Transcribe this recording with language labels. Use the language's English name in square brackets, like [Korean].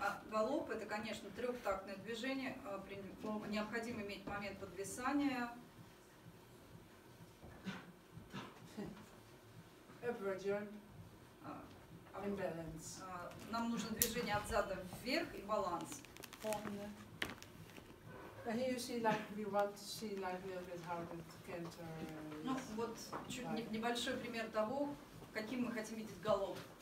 [Russian] Галоп это, конечно, трехтактное движение. Необходимо иметь момент подвисания. [English] Upward jump and balance. [Russian] Нам нужно движение от зада вверх и баланс. [English] Here you see, like we want to see, like a little bit how the canter. [Russian] Ну вот чуть небольшой пример того, каким мы хотим видеть галоп.